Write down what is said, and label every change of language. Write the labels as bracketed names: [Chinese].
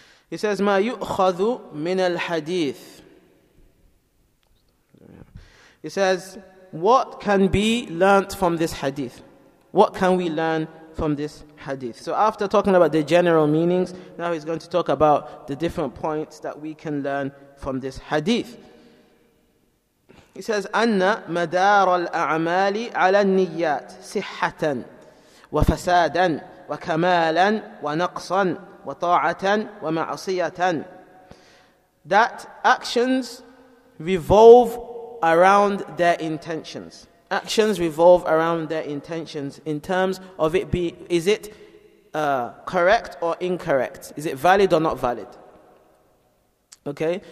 [English] He says, [Arabic] مَا يُؤْخَذُ مِنَ الْحَدِيثِ. [English] He says, what can be learnt from this hadith? What can we learn from this hadith? So after talking about the general meanings, now he's going to talk about the different points that we can learn from this hadith. He says, [Arabic] أَنَّ مَدَارَ الْأَعْمَالِ عَلَى النِّيَّاتِ صِحَّةً وَفَسَادًا وَكَمَالًا وَنَقْصًا وَطَاعَةً وَمَعْصِيَةً. [English] That actions revolve around their intentions. Actions revolve around their intentions in terms of is it correct or incorrect? Is it valid or not valid? Okay?